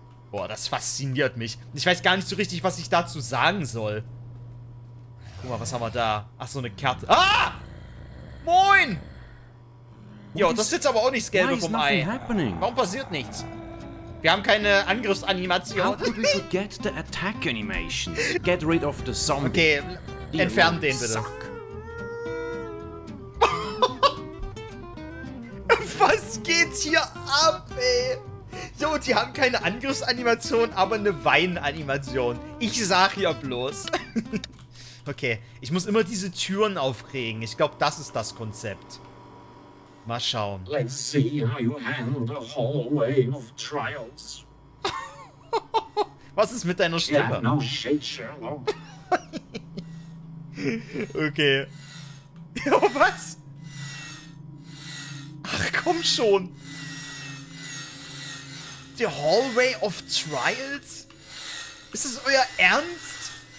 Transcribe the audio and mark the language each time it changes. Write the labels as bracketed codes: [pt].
[de] Boah, das fasziniert mich. Ich weiß gar nicht so richtig, was ich dazu sagen soll. Guck mal, was haben wir da? Ach, so eine Karte. Ah! Moin! Jo, das sitzt aber auch nicht das Gelbe vom Ei. Warum passiert nichts? Wir haben keine Angriffsanimation. [en] How could we forget the attack animation? Get rid of the zombie. [de] Okay, entfernen den bitte. Was geht hier ab, ey? Jo, die haben keine Angriffsanimation, aber eine Weinanimation. Ich sag ja bloß. Okay, ich muss immer diese Türen aufregen. Ich glaube, das ist das Konzept. Mal schauen. [en] Let's see how you handle the hallway of trials. [de] Was ist mit deiner Stimme? [en] Yeah, no shit, Sherlock. [de] Okay. Ja, was? Ach, komm schon. [en] The hallway of trials? [de] Ist das euer Ernst?